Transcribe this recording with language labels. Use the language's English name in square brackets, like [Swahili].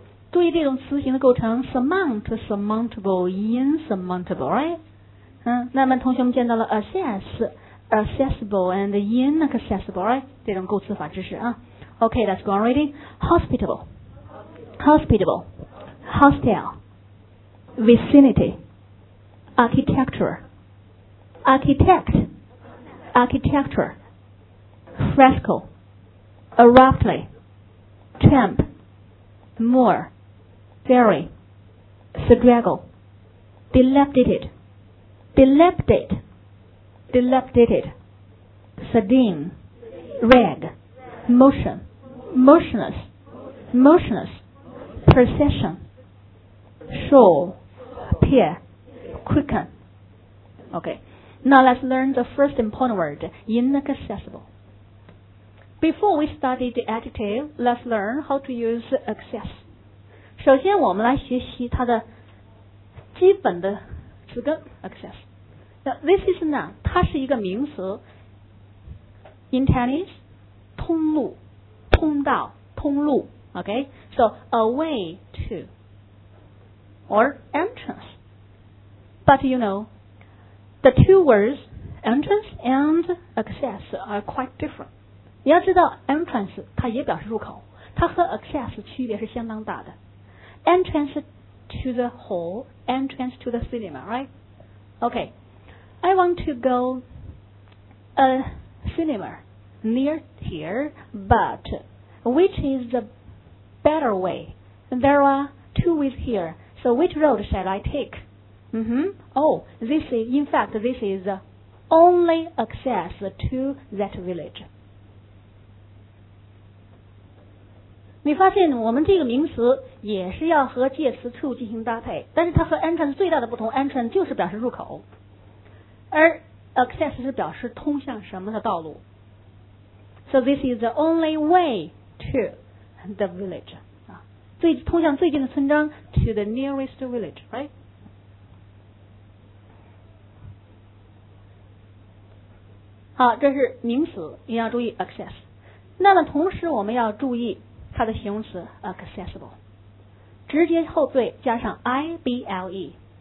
[Chinese] 注意这种词型的构成 surmount, surmountable, insurmountable, right? [English] 那么同学们见到了 assess,Accessible and inaccessible, right? 这种构词法知识啊。 OK, let's go on reading. Hospitable. Hospitable. Hostel. Vicinity. Architecture. Architect. Architecture. Fresco. Abruptly. Tramp. Moor. Ferry. Straggle. Dilapidated. Dilapidated. Dilapidated. Sardine, rag, motion, motionless, motionless, procession, shawl, pier, quicken. Okay, now let's learn the first important word, inaccessible. Before we study the adjective, let's learn how to use access. [Chinese] 首先我们来学习它的基本的词根 access. [English] Now, this is a noun, 它是一个名词。 In tennis, 通路、通道、通路 ,OK? So, a way to, or entrance. But you know, the two words, entrance and access, are quite different. [Chinese] 你要知道 entrance, 它也表示入口，它和 access 区别是相当大的。 [English] Entrance to the hall, entrance to the cinema, right? OK, I want to go a cinema. Near here, but which is the better way? There are two ways here. So which road shall I take? Mm-hmm. Oh, this is, in fact, this is the only access to that village. [Chinese] 你发现我们这个名词也是要和介词 to 进行搭配，但是它和 entrance 最大的不同， entrance 就是表示入口，而 access 是表示通向什么的道路。 [English] So this is the only way to the village. [Chinese] 最通向最近的村庄 to the nearest village, right? 好，这是名词，你要注意 access. 那么同时我们要注意它的形容词 accessible. 直接后缀加上 ible.